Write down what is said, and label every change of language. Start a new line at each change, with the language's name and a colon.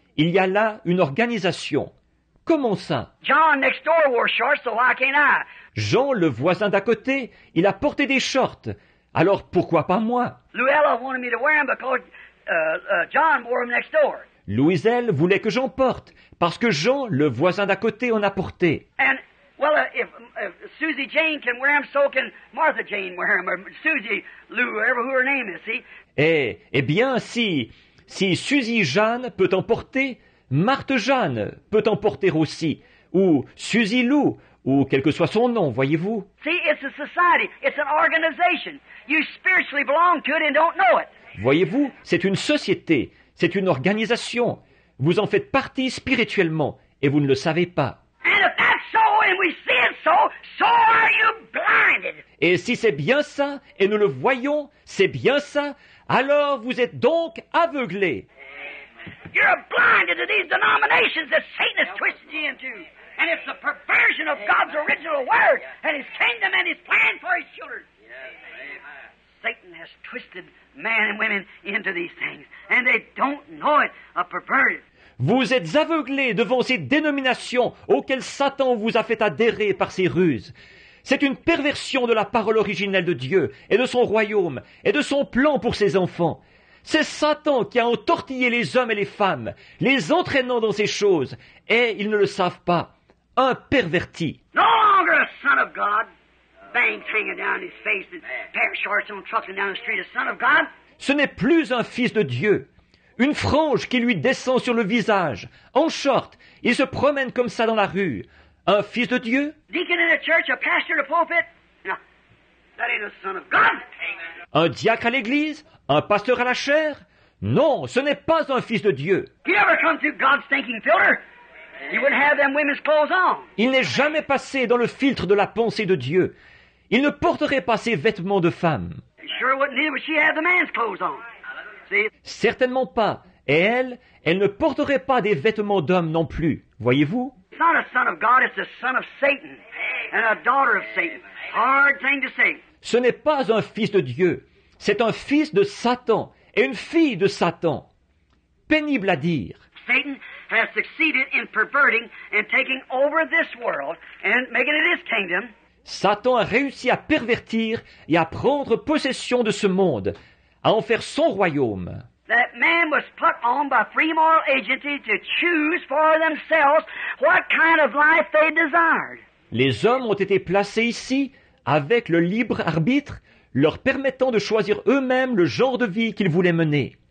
French: Il y a là une organisation. Comment ça?
English: John next door wore shorts, so why can't I?
French: Jean, le voisin d'à côté, il a porté des shorts. Alors pourquoi pas moi?
English: Luella wanted me to wear them because John wore them next door.
French: Louiselle voulait que j'en porte parce que Jean, le voisin d'à côté, en a porté.
English: And well, if Susie Jane can wear them, so can Martha Jane wear them, or Susie Lou, whatever her name is. See?
French: Eh bien, si Susie Jane peut en porter. Marthe Jeanne peut en porter aussi, ou Susie Lou, ou quel que soit son nom, voyez-vous.
English: See, it's a society, it's an organization. You spiritually belong to it and don't know it.
French: Voyez-vous, c'est une société, c'est une organisation. Vous en faites partie spirituellement et vous ne le savez pas.
English: And if that's so and we see it so, so are you blinded.
French: Et si c'est bien ça et nous le voyons, c'est bien ça, alors vous êtes donc aveuglés.
English: You're blinded to these denominations that Satan has twisted you into. And it's the perversion of God's original word and his kingdom and his plan for his children. Satan has twisted men and women into these things. And they don't know it, a perverted.
French: Vous êtes aveuglés devant ces dénominations auxquelles Satan vous a fait adhérer par ses ruses. C'est une perversion de la parole originelle de Dieu et de son royaume et de son plan pour ses enfants. C'est Satan qui a entortillé les hommes et les femmes, les entraînant dans ces choses, et ils ne le savent pas. Un perverti.
English: No longer a son of God. Banks hanging down his face, pair of shorts on trucking down the street, a son of God.
French: Ce n'est plus un fils de Dieu. Une frange qui lui descend sur le visage. En short, il se promène comme ça dans la rue. Un fils de Dieu?
English: Deacon in a church, a pastor, a pulpit. That ain't a son of God.
French: Un diacre à l'église? Un pasteur à la chair? Non, ce n'est pas un fils de Dieu.
English: He ever come through God's thinking filter? He wouldn't have them women's clothes on.
French: Il n'est jamais passé dans le filtre de la pensée de Dieu. Il ne porterait pas ses vêtements de femme.
English: Sure wouldn't either, but she had the man's clothes on.
French: Certainement pas. Et elle ne porterait pas des vêtements d'homme non plus. Voyez-vous?
English: It's not a son of God, it's a son of Satan. And a daughter of Satan. Hard thing to say.
French: Ce n'est pas un fils de Dieu. C'est un fils de Satan et une fille de Satan. Pénible à dire.
English: Satan has succeeded in perverting and taking over this world and making it his kingdom.
French: Satan a réussi à pervertir et à prendre possession de ce monde, à en faire son royaume.
English: That man was put on by free moral agency to choose for themselves what kind of life they desired.
French: Les hommes ont été placés ici avec le libre arbitre, leur permettant de choisir eux-mêmes le genre de vie qu'ils voulaient mener.